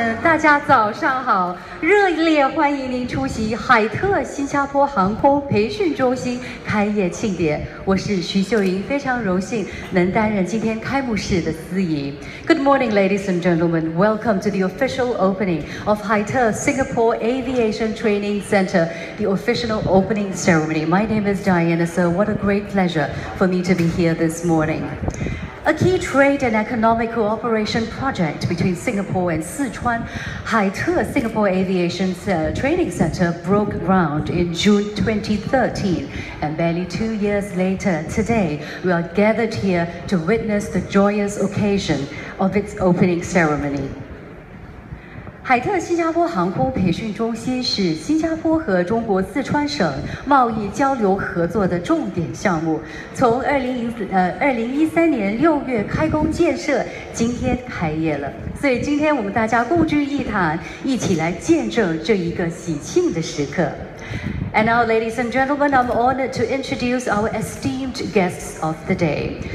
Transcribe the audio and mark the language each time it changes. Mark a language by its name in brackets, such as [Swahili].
[Chinese] 大家早上好，热烈欢迎您出席海特新加坡航空培训中心开业庆典。我是徐秀莹，非常荣幸能担任今天开幕式的司仪。 [English] Good morning, ladies and gentlemen. Welcome to the official opening of Haiter Singapore Aviation Training Center, the official opening ceremony. My name is Diana, so what a great pleasure for me to be here this morning. A key trade and economic cooperation project between Singapore and Sichuan, Haiter Singapore Aviation Training Center broke ground in June 2013. And barely 2 years later, today, we are gathered here to witness the joyous occasion of its opening ceremony. [Chinese] 海特新加坡航空培训中心是新加坡和中国四川省贸易交流合作的重点项目，从2013年6月开工建设，今天开业了。所以今天我们大家共聚一堂，一起来见证这一个喜庆的时刻。 [English] And now, ladies and gentlemen, I'm honored to introduce our esteemed guests of the day.